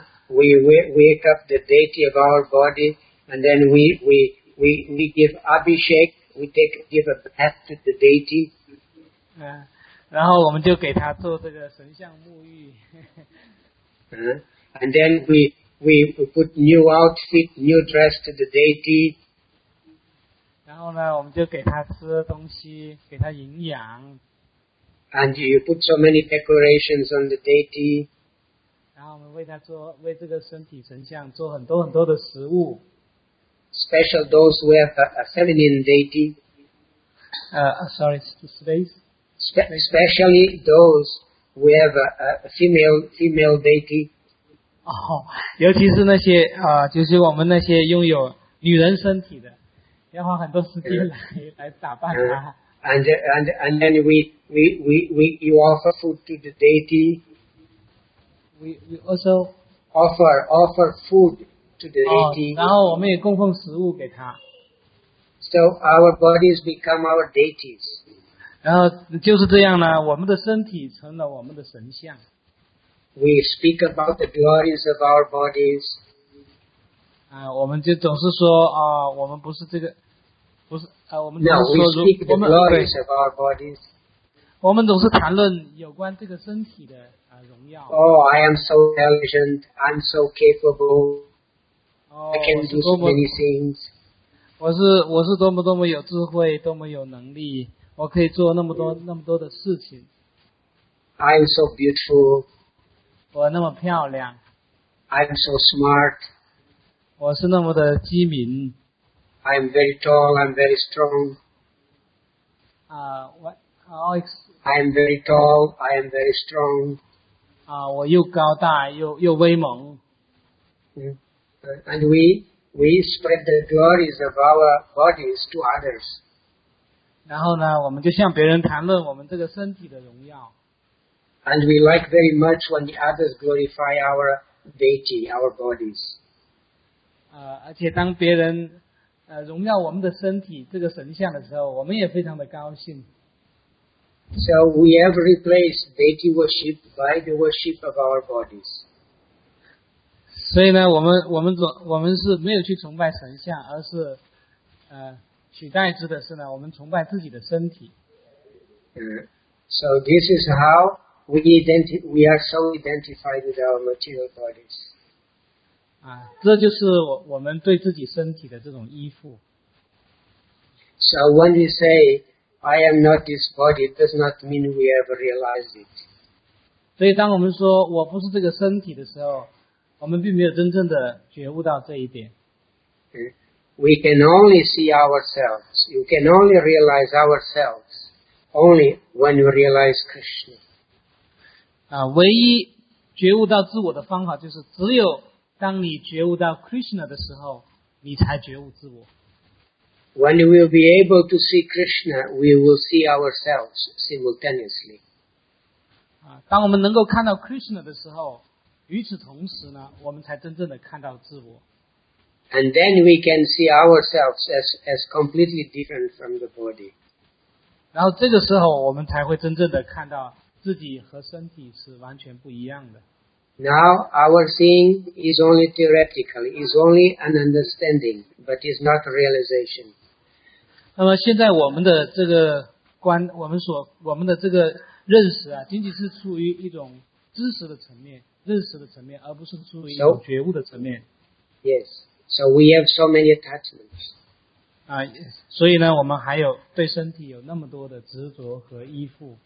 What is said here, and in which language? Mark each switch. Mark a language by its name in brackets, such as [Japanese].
[English] Wake up the deity of our body, and then we give abhishek, give a bath to the deity. [Chinese] 然后我们就给他做这个神像沐浴。 [English] And then we, we put new outfit, new dress to the deity. [Chinese] 然后呢，我们就给他吃东西，给他营养。 [English] And you put so many decorations on the deity. [Chinese] 然后我们为他做，为这个身体神像做很多很多的食物。 [English] Special those who have a feminine deity. Especially those who have a female deity. [Chinese] 哦，尤其是那些就是我们那些拥有女人身体的，要花很多时间来打扮她。 [English] And then we offer food to the deity. We also offer food. [Chinese] 然后我们也供奉食物给他。 [English] So our bodies become our deities. [Chinese] 然后就是这样呢，我们的身体成了我们的神像。 [English] We speak about the glories of our bodies. [Chinese] 我们就总是说我们不是这个，不是我们总是说 [English] no, we speak the glories of our bodies. [Chinese] 我们总是谈论有关这个身体的荣耀。 [English] Oh, I am so intelligent. I'm so capable. I can do so many things. [Chinese] 我是多么多么有智慧，多么有能力，我可以做那么多、mm. 那么多的事情。 [English] I'm so beautiful. [Chinese] 我那么漂亮。 [English] I'm so smart. [Chinese] 我是那么的机敏。 [English] I'm very tall. I'm very strong. I'm very tall. I am very strong. [Chinese] 我又高大又威猛。 [English] And we spread the glories of our bodies to others. [Chinese] 然后呢，我们就向别人谈论我们这个身体的荣耀。 [English] And we like very much when the others glorify our deity, our bodies. [Chinese] 而且当别人荣耀我们的身体这个神像的时候，我们也非常的高兴。 [English] So we have replaced deity worship by the worship of our bodies. [Chinese] 所以呢，我们是没有去崇拜神像，而是取代之的是呢，我们崇拜自己的身体。 [English] So this is how we are so identified with our material bodies. [Chinese] 这就是我们对自己身体的这种依附。 [English] So when we say I am not this body, it does not mean we ever realize it. [Chinese] 所以当我们说我不是这个身体的时候，我们并没有真正的觉悟到这一点。 [English] We can only see ourselves. You can only realize ourselves only when you realize Krishna. [Chinese] 唯一觉悟到自我的方法就是，只有当你觉悟到 Krishna 的时候，你才觉悟自我。 [English] When we will be able to see Krishna, we will see ourselves simultaneously. [Chinese] 当我们能够看到 Krishna 的时候，与此同时呢，我们才真正的看到自我。 [English] And then we can see ourselves as completely different from the body. [Chinese] 然后这个时候，我们才会真正的看到自己和身体是完全不一样的。 [English] Now our seeing is only theoretical, is only an understanding, but is not realization. [Chinese] 那么现在我们的这个观，我们的这个认识啊，仅仅是处于一种知识的层面。认识的层面，而不是处于一种觉悟的层面。 [English] Yes, so we have so many attachments. [Chinese] 所以呢，我们还有对身体有那么多的执着和依附。